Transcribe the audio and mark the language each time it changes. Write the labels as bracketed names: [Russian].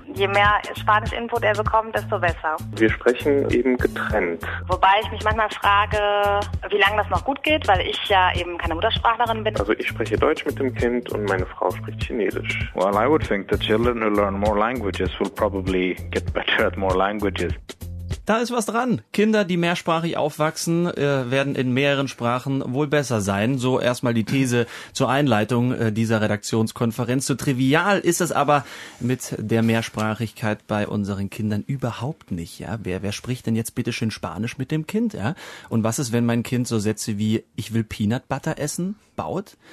[German] Je mehr Spanisch-Input er bekommt, desto besser. Wir sprechen eben getrennt. Wobei ich mich manchmal frage, wie lange das noch gut geht, weil ich ja eben keine Muttersprachlerin bin. Also ich spreche Deutsch mit dem Kind und meine Frau spricht Chinesisch. [English] Well, I would think the children who learn more languages will probably get better at more languages. [German] Da ist was dran. Kinder, die mehrsprachig aufwachsen, werden in mehreren Sprachen wohl besser sein. So erstmal die These zur Einleitung dieser Redaktionskonferenz. So trivial ist es aber mit der Mehrsprachigkeit bei unseren Kindern überhaupt nicht. Ja, wer spricht denn jetzt bitteschön Spanisch mit dem Kind? Ja, und was ist, wenn mein Kind so Sätze wie "Ich will Peanut Butter essen" baut?